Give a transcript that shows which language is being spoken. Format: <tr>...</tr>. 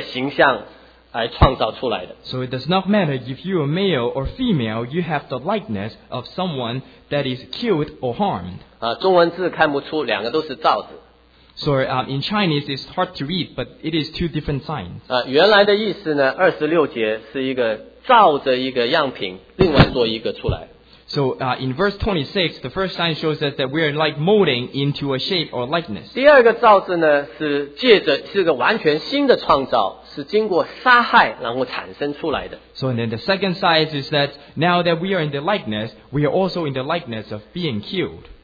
<zh>所以这里说到人无论是男或女，他的所有都是从一个曾被杀害的形象而创造出来的。</zh> <en>So it does not matter if you are male or female, you have the likeness of someone that is killed or harmed.</en> <zh>中文字看不出，两个都是造字。</zh> <en>So in Chinese, it's hard to read, but it is two different signs.</en> <zh>原来的意思呢, 26节是一个照着一个样品, 另外做一个出来。</zh> <en>So in verse 26, the first sign shows us that we are like molding into a shape or likeness.</en> <zh>第二个造字呢, 是借着是个完全新的创造, 是经过杀害, 然后产生出来的。</zh> <en>So and then the second sign is that now that we are in the likeness, we are also in the likeness of being killed.</en>